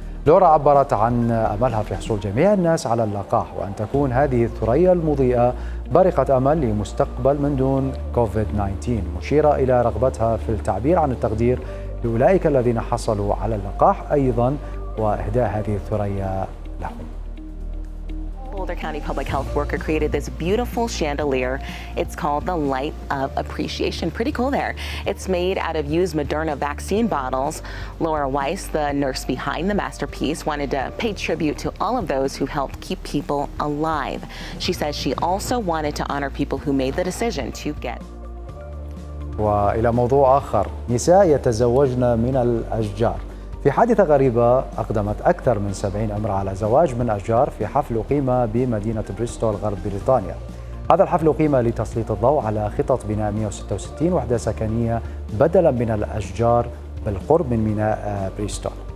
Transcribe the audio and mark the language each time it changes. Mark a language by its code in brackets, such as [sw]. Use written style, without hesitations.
[ar] لورا عبرت عن أملها في حصول جميع الناس على اللقاح وأن تكون هذه الثريا المضيئة بارقة أمل لمستقبل من دون كوفيد 19، مشيرة إلى رغبتها في التعبير عن التقدير لأولئك الذين حصلوا على اللقاح أيضا وإهداء هذه الثريا لهم. [en] Boulder County Public Health worker created this beautiful chandelier. It's called the Light of Appreciation. Pretty cool there. It's made out of used Moderna vaccine bottles. Laura Weiss, the nurse behind the masterpiece, wanted to pay tribute to all of those who helped keep people alive. She says she also wanted to honor people who made the decision to get. [ar] وإلى موضوع آخر، نساء يتزوجن من الأشجار. في حادثة غريبة أقدمت أكثر من 70 امرأة على زواج من أشجار في حفل أقيم بمدينة بريستول غرب بريطانيا. هذا الحفل أقيم لتسليط الضوء على خطط بناء 166 وحدة سكنية بدلا من الأشجار بالقرب من ميناء بريستول.